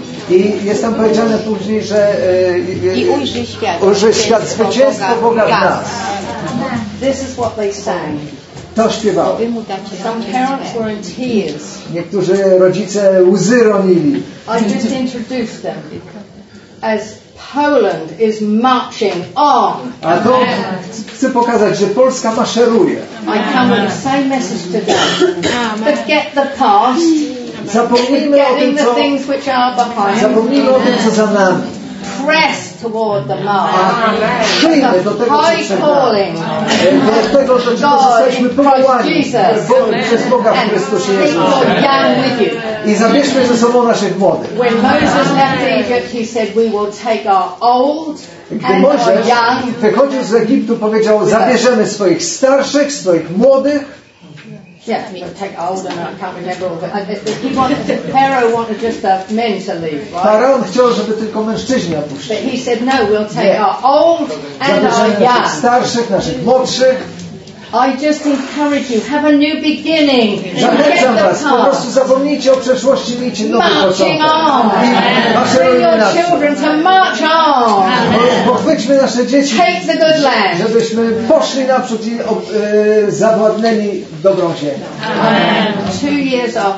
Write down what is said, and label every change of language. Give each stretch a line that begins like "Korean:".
Polish: I jest tam powiedziane później, że i ujrzysz świat. Ujrzysz świat, zwycięstwo Boga w nas.
English: This is what they sang.
Polish: To śpiewało.
English: Some parents were in tears.
Polish: Niektórzy rodzice łzy ronili.
English: I just introduced them as Poland is marching on.
Polish: A to chcę pokazać, że Polska maszeruje.
English: I come with the same message today. Forget the past.
Polish: Zapomnijmy o tym,
English: the things which are behind.
Polish: Zapomnijmy o tym, co za nami.
English: Press toward the mark.
Polish: Przyjmy do tego, co
English: high calling.
Polish: Do tego, że jesteśmy powołani przez Boga w Chrystusie Jezusie. I zabierzmy ze sobą naszych młodych.
English: When Moses left Egypt, he said, we will take our old.
Polish: Gdy Mojżesz wychodził z Egiptu, powiedział, zabierzemy swoich starszych, swoich młodych.
English: Yeah, I mean, take old and I can't remember all that. He wanted, Pharaoh wanted just the men to leave, right?
Polish: Faraon chciał, żeby tylko mężczyźni opuścili.
English: But he said, no, we'll take our old and our young.
Polish: Naszych starszych, naszych młodszych.
English: I just encourage you, have a new beginning.
Polish: Zachęcam was, po prostu zapomnijcie o przeszłości, miejcie nowy początek.
English: Marching on. Bring your children to march on.
Polish: Pochwyćmy nasze dzieci.
English: Take the good land.
Polish: Żebyśmy poszli naprzód i zawładnęli dobrą ziemię.